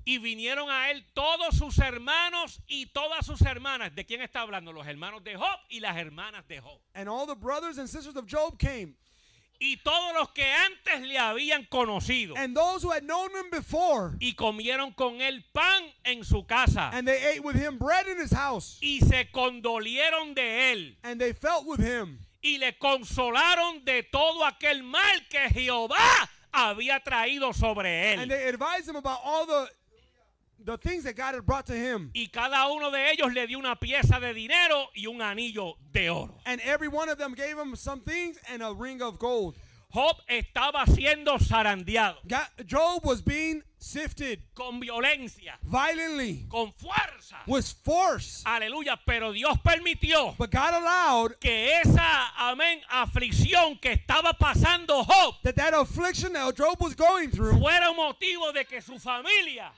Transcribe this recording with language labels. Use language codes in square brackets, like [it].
[es] Y vinieron a él todos sus hermanos y todas sus hermanas. ¿De quién está hablando? Los hermanos de Job y las hermanas de Job. [en] And all the brothers and sisters of Job came. [es] Y todos los que antes le habían conocido. [en] And those who had known him before. [es] Y comieron con él pan en su casa. [en] And they ate with him bread in his house. [es] Y se condolieron de él. [en] And they felt with him. [es] Y le consolaron de todo aquel mal que Jehová había traído sobre él. [en] And they advised him about all the things that God had brought to him. [es] Y cada uno de ellos le dio una pieza de dinero y un anillo de oro. [en] And every one of them gave him some things and a ring of gold. [es] Job estaba siendo zarandeado. [en] Job was being sifted. [es] Con violencia. [en] Violently. [es] Con fuerza. [en] With force. [es] Aleluya, pero Dios permitió. [en] But God allowed. [es] Que esa, amén, aflicción que estaba pasando Job. [en] That affliction that Job was going through. [es] Fuera motivo de que su familia.